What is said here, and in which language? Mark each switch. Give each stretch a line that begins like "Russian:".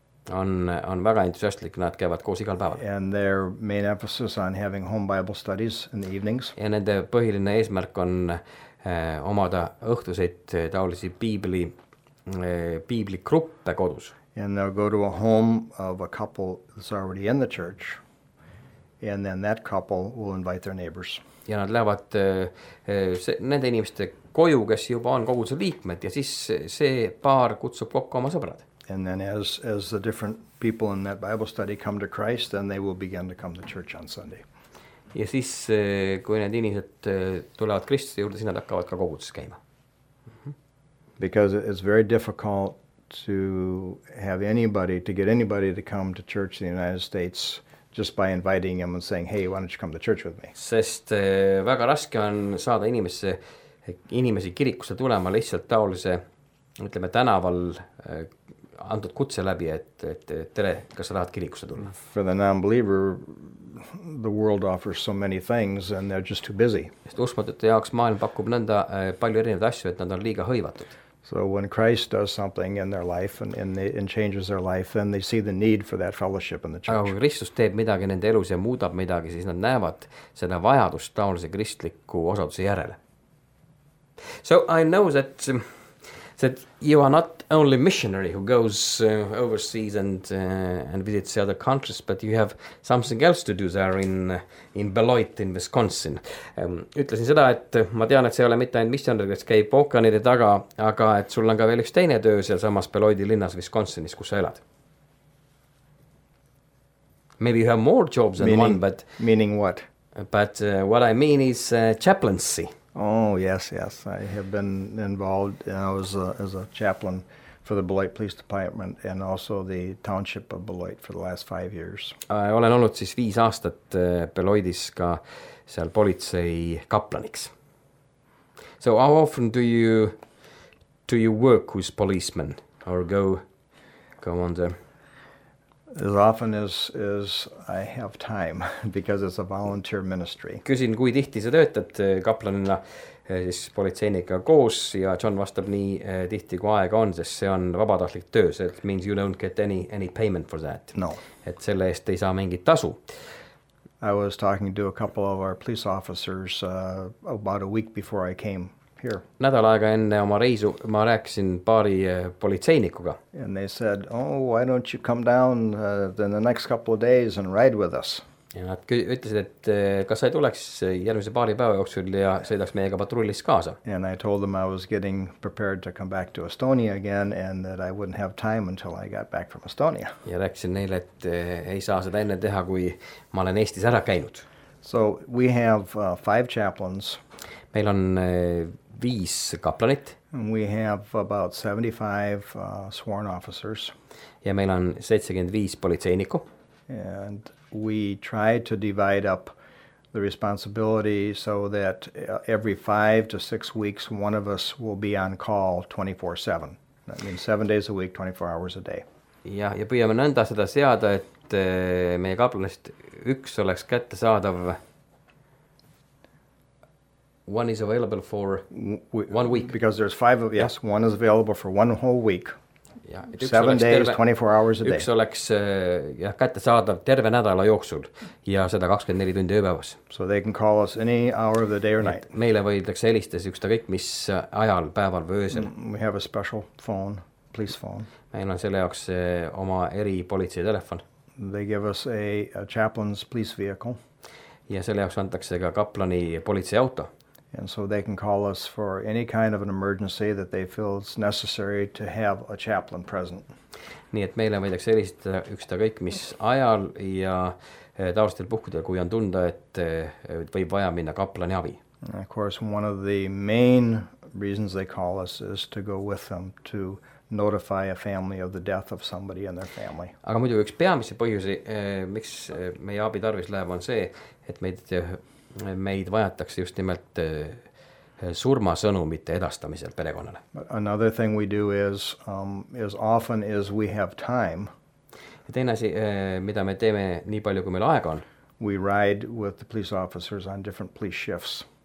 Estonian: On väga entusiastlik, nad käivad koos igal päeval.
English: And their main emphasis on having home Bible studies in the evenings.
Estonian: Ja nende põhiline eesmärk on omada õhtuseid taolisi piibli gruppe kodus.
English: And they'll go to a home of a couple that's already in the church, and then that couple will invite their neighbors.
Estonian: Ja nad lähevad nende inimeste koju, kes juba on koguduse liikmed, ja siis see paar kutsub kokku oma sõbrad.
English: And then as the different people in that Bible study come to Christ, then they will begin to come to church on Sunday.
Estonian: Ja siis, kui need inimesed tulevad Kristuse juurde, siis nad hakkavad ka koguduses käima.
English: Because it's very difficult to have anybody, to get anybody to come to church in the United States just by inviting him and saying, hey, why don't you come to church with me?
Estonian: Sest väga raske on saada inimesi kirikusse tulema lihtsalt taolise, ütleme, tänaval antud kutse läbi, et tere, kas sa tahad kirikusse tulla.
English: For the non-believer, the world offers so many things and they're just too busy.
Estonian: Sest uskmatute jaoks maailm pakub nõnda palju erinevad asju, et nad on liiga hõivatud.
English: So when Christ does something in their life and changes their life, then they see the need for that fellowship in the church.
Estonian: Aga kui Kristus teeb midagi nende elus ja muudab midagi, siis nad näevad seda vajadust taolise kristliku osaduse järele.
English: So I know that you are not only missionary who goes overseas and visits other countries, but you have something else to do there in Beloit in Wisconsin.
Estonian: Ütlesin seda, et ma tean, et see ei ole mitte ainult missionär, kes käib Ookeanide taga, aga et sul on ka veel üks teine töö seal samas Beloiti linnas Wisconsinis, kus sa elad.
English: Maybe you have more jobs than meaning, one, but... Meaning what? But what I mean is chaplaincy. Oh, yes. I have been involved, and I was as a chaplain for the Beloit Police Department and also the township of Beloit for the last 5 years.
Estonian: I olen olnud siis 5 aastat Beloitis ka seal politsei kaplaniks.
English: So how often do you work with policemen or go on the... As often as I have time, because it's a volunteer ministry.
Estonian: Küsin, kui tihti sa töötad kaplanina siis politseinika koos, ja John vastab nii tihti kui aega on, sest see on vabatahtlik töö.
English: So it means you don't get any payment for that. No.
Estonian: Et selle eest ei saa mingit tasu.
English: I was talking to a couple of our police officers about a week before I came. Here.
Estonian: Nädal aega enne oma reisu ma rääkisin paari politseinikuga.
English: And they said, oh, why don't you come down in the next couple of days and ride with us?
Estonian: Ja nad ütlesid, et kas sa ei tuleks järgmise paari päeva jooksul ja sõidaks meiega patrullis kaasa.
English: And I told them I was getting prepared to come back to Estonia again and that I wouldn't have time until I got back from Estonia.
Estonian: Ja rääkisin neile, et ei saa seda enne teha, kui ma olen Eestis ära käinud.
English: So we have 5 chaplains.
Estonian: Meil on 5 kaplanit.
English: And we have about 75 sworn officers.
Estonian: Ja meil on 75 politseiniku.
English: And we try to divide up the responsibility so that every 5 to 6 weeks, one of us will be on call 24/7. That means 7 days a week, 24 hours a day.
Estonian: Yeah, ja püüame nõnda seda seada, et meie kaplanist üks oleks kättesaadav.
English: One is available for 1 week. Because there's five of, yes, one is available for 1 whole week. Yeah, 7 days, 24 hours a day.
Estonian: Üks oleks ja kättesaadav terve nädala jooksul ja seda 24 tundi ööpäevas.
English: So they can call us any hour of the day or night.
Estonian: Meile võidakse helistada üks ta kõik, mis ajal, päeval või öösel.
English: We have a special phone, police phone.
Estonian: Meil on selle jaoks oma eri politsei telefon.
English: They give us a chaplain's police vehicle.
Estonian: Ja selle jaoks antakse ka kaplani politsei auto.
English: And so they can call us for any kind of an emergency that they feel is necessary to have a chaplain present.
Estonian: Nii et meile võidaks helistada üksta kõik, mis ajal ja taustel puhkudel, kui on tunda, et võib vaja minna kaplani abi.
English: And of course, one of the main reasons they call us is to go with them to notify a family of the death of somebody in their family.
Estonian: Aga muidu üks peamise põhjusi, miks meie abi tarvis läheb, on see, et meid vajatakse just nimelt surma sõnumite edastamisel perekonnale.
English: Another thing we do is often is we have time.
Estonian: Ja teine asi, mida me teeme nii palju, kui meil aega on.
English: We ride with the police officers on different police shifts.